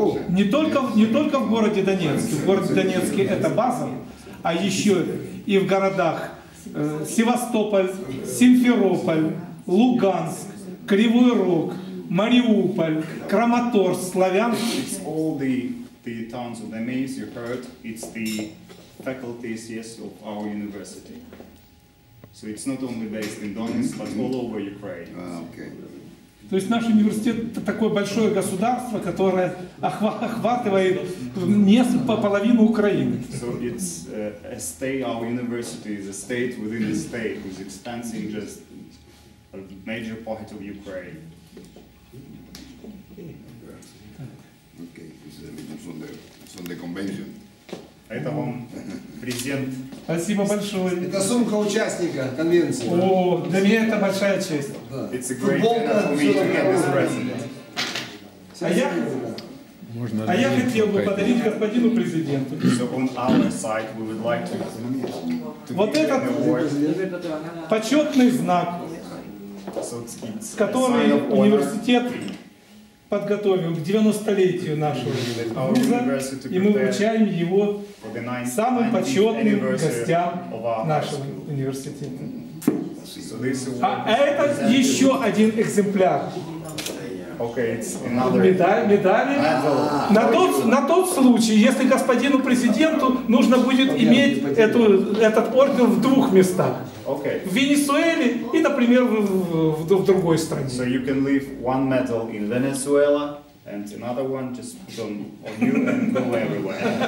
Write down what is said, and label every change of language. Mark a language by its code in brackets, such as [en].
[ru] Не только в городе Донецке. В городе Донецке это база, а еще и в городах Севастополь, Симферополь, Луганск, Кривой Рог, Мариуполь, Краматорск, Славянск. [en] It's all the towns of the maze you heard. It's the faculties, yes, of our university. So it's not only based in Donetsk, but all over Ukraine. Okay. [ru] То есть наш университет — это такое большое государство, которое охватывает половину Украины. [en] So it's a state, our university is a state within a state, whose expanse is just a major part of Ukraine. Okay. from the convention. [ru] Это вам презент. Спасибо большое. Это сумка участника конвенции. О, для меня это большая честь. [en] It's a great honor for me to get this present. [ru] А я хотел бы подарить господину президенту. [en] So on our side, we would like to [ru] вот этот почетный знак, который университет подготовил к 90-летию нашего вуза, и мы вручаем его самым почетным гостям нашего университета. А это еще один экземпляр. Медали. На тот случай, если господину президенту нужно будет иметь этот орден в двух местах. [en] Okay. [ru] В Венесуэле и, например, в другой стране. [en] So you can leave one medal in Venezuela and another one just put on you and go everywhere.